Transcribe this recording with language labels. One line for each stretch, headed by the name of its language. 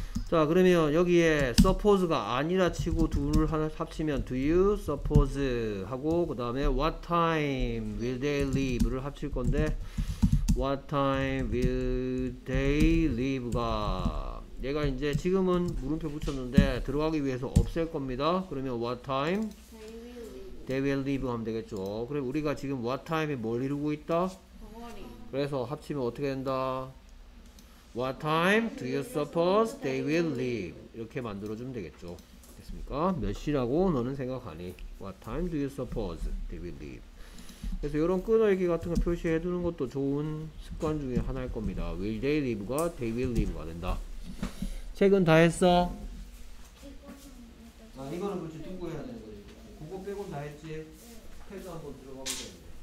Korean: 자, 그러면 여기에 suppose가 아니라 치고 둘을 하나 합치면
English: do you suppose
Korean: 하고 그 다음에
English: what time will they leave
Korean: 를 합칠 건데 what time will they leave가 얘가 이제 지금은 물음표 붙였는데 들어가기 위해서 없앨 겁니다. 그러면
English: what time they will leave
Korean: 하면 되겠죠. 그럼 우리가 지금 what time에 뭘 이루고 있다? 그래서 합치면 어떻게 된다?
English: What time do you suppose they will leave?
Korean: 이렇게 만들어주면 되겠죠. 됐습니까? 몇 시라고 너는 생각하니?
English: What time do you suppose they will leave?
Korean: 그래서 이런 끊어읽기 같은 거 표시해두는 것도 좋은 습관 중에 하나일 겁니다.
English: Will they leave가 they will leave가
Korean: 된다. 책은 다 했어? 아, 이거는 그렇지 두고 해야 되는 거지. 그거 빼곤 다 했지? 패드 한번 들어가면 되는데.